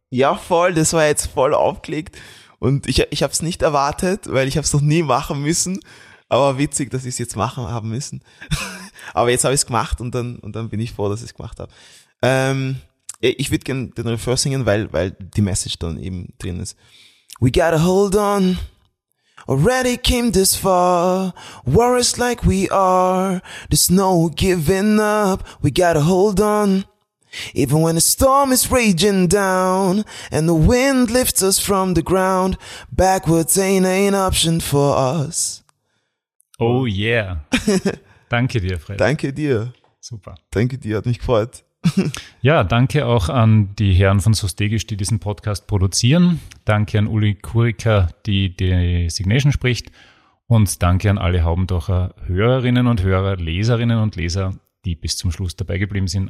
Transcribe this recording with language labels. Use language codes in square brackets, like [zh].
[de] Ja, voll, das war jetzt voll aufgelegt. Und ich habe es nicht erwartet, weil ich habe es noch nie machen müssen. Aber witzig, dass ich es jetzt machen haben müssen. Aber jetzt habe ich es gemacht und dann bin ich froh, dass ich es gemacht habe. Ich würde gerne den Refrain singen, weil die Message dann eben drin ist. [en] We gotta hold on. Already came this far, warriors like we are, there's no giving up, we gotta hold on, even when the storm is raging down, and the wind lifts us from the ground, backwards ain't an option for us. Oh yeah. [de] Danke dir, Fred. Danke dir. Super. Danke dir, hat mich gefreut. Ja, danke auch an die Herren von Sostegisch, die diesen Podcast produzieren. Danke an Uli Kuriker, die Signation spricht. Und danke an alle Haubendorfer Hörerinnen und Hörer, Leserinnen und Leser, die bis zum Schluss dabei geblieben sind.